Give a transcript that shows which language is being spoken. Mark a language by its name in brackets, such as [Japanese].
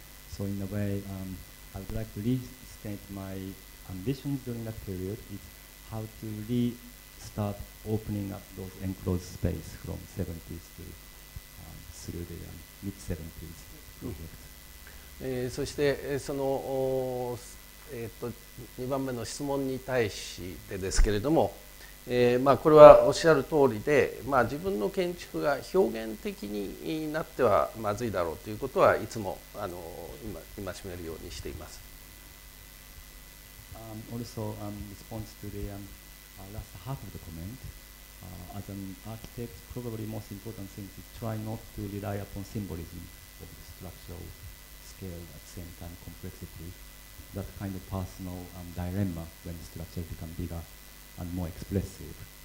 [English] So in a way, I would like to restate my ambitions during that period is how to restart opening up those enclosed space from 70s to through the mid-70s project. [Japanese] そしてその2番目の質問に対してですけれども、まあ、これはおっしゃる通りで、まあ、自分の建築が表現的になってはまずいだろうということはいつも今しめるようにしています。 [English] Also, response to the last half of the comment. As an architect, probably most important thing is try not to rely upon symbolism of the structural scale at the same time complexity. That kind of personal dilemma when the structure becomes bigger and more expressive.